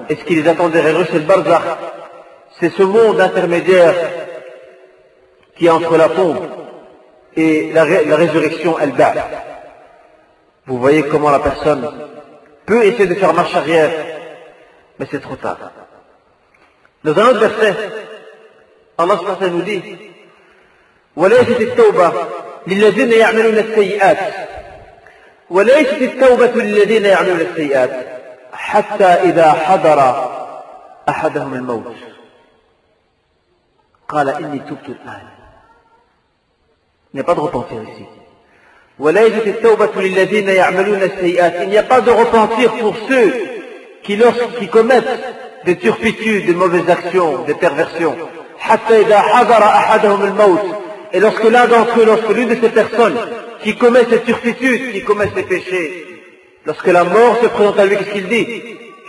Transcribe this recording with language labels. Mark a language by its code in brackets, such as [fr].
[fr] Est-ce qu'il les attend derrière eux, c'est le barzakh? C'est ce monde intermédiaire qui est entre la tombe et la résurrection, al-ba'th. Vous voyez comment la personne peut essayer de faire marche arrière, mais c'est trop tard. Dans un autre verset, Allah subhanahu wa ta'ala nous dit: [ar] وليست التوبة للذين يعملون السيئات وليست التوبة للذين يعملون السيئات حتى إذا حضر أحدهم الموت قال إني تبت الآن. [fr] Il n'y a pas de repentir ici. [ar] وليست التوبة للذين يعملون السيئات. [fr] Il n'y a pas de repentir pour ceux qui, lorsqu'ils commettent des turpitudes, des mauvaises actions, des perversions. [ar] حتى إذا حضر أحدهم الموت. [fr] Et lorsque l'un d'entre eux, lorsque l'une de ces personnes qui commet cette turpitude, qui commet ces péchés, lorsque la mort se présente à lui, qu'est-ce qu'il dit ?